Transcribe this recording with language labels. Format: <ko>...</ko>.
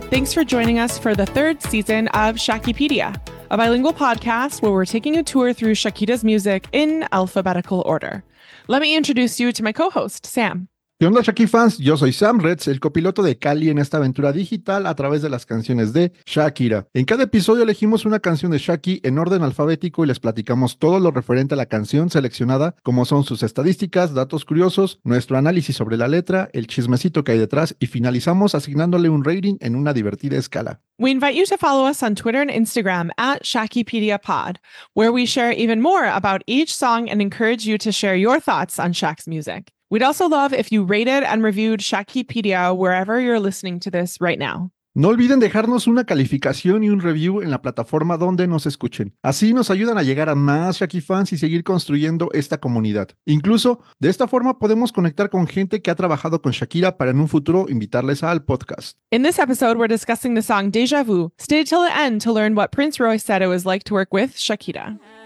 <en>Thanks for joining us for the third season of Shackypedia, a bilingual podcast where we're taking a tour through Shakira's music in alphabetical order. Let me introduce you to my co-host, Sam.</en> <es>¿Qué onda, Shaky fans? Yo soy Sam Retz, el copiloto de Callie en esta aventura digital a través de las canciones de Shakira. En cada episodio elegimos una canción de Shaky en orden alfabético y les platicamos todo lo referente a la canción seleccionada, como son sus estadísticas, datos curiosos, nuestro análisis sobre la letra, el chismecito que hay detrás y finalizamos asignándole un rating en una divertida escala.</es> <en>We invite you to follow us on Twitter and Instagram at ShakyPediaPod, where we share even more about each song and encourage you to share your thoughts on Shaq's music. We'd also love if you rated and reviewed Shakypedia wherever you're listening to this right now.</en> <es>No olviden dejarnos una calificación y un review en la plataforma donde nos escuchen. Así nos ayudan a llegar a más Shaky fans y seguir construyendo esta comunidad. Incluso, de esta forma podemos conectar con gente que ha trabajado con Shakira para en un futuro invitarles al podcast.</es> <en>In this episode, we're discussing the song Deja Vu. Stay till the end to learn what Prince Royce said it was like to work with Shakira.</en>